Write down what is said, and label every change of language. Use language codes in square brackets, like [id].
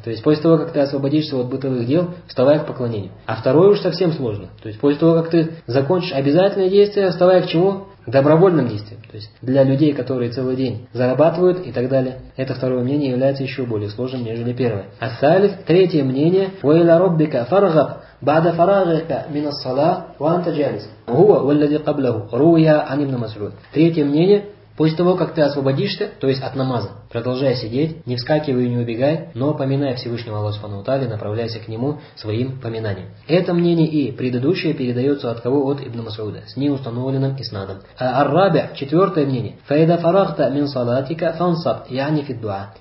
[ru] То есть после того, как ты освободишься от бытовых дел, вставай к поклонению. А второе уж совсем сложно. То есть после того, как ты закончишь обязательное действие, вставай к чему? К добровольным действиям. То есть для людей, которые целый день зарабатывают и так далее, это второе мнение является еще более сложным, нежели первое. А салис, третье мнение, [ar] «Вайля роббика фаргаб». بعد فراغك من الصلاة وأنت جالس هو والذي قبله رؤيا عن ابن مسعود. [ru] Третье мнение. После того, как ты освободишься, то есть от намаза, продолжай сидеть, не вскакивай и не убегай, но поминай Всевышнего Аллаха Субхану ва Тааля, направляйся к нему своим поминанием. Это мнение и предыдущее передается от кого? От Ибн Масауда, с неустановленным иснадом. [ar] Ар-Рабя, [ru] четвертое мнение. [ar] Фаида фарахта мин салатика фансаб, яни фиддуа.